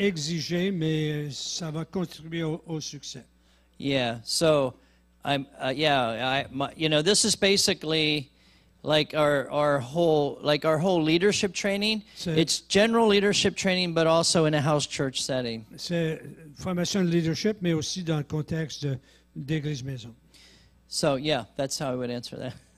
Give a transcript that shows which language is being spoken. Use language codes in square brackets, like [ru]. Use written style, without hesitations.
[fr] Exigé, mais ça va contribuer au succès. [en] Yeah, so this is basically like our whole leadership training. It's general leadership training, but also in a house church setting. [fr] C'est formation de leadership, mais aussi dans le contexte d'église maison. [en] So yeah, that's how I would answer that.